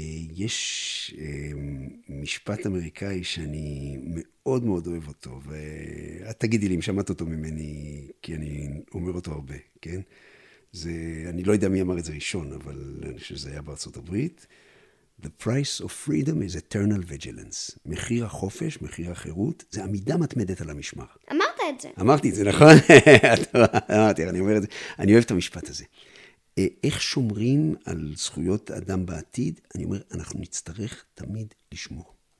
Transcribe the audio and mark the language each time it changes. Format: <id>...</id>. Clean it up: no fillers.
<he>יש משפט אמריקאי שאני מאוד מאוד אוהב אותו, ואת תגידי לי אם שמעת אותו ממני, כי אני אומר אותו הרבה, כן? זה, אני לא יודע מי אמר את זה ראשון, אבל אני חושב שזה היה בארצות הברית.</he> <en>The price of freedom is eternal vigilance.</en> <he>מחיר החופש, מחיר החירות, זה עמידה מתמדת על המשמר. אמרת את זה. אמרתי את זה, נכון? אמרתי, אני אומר את זה. אני אוהב את המשפט הזה. איך שומרים על זכויות אדם בעתיד? אני אומר, אנחנו נצטרך תמיד לשמור.</he>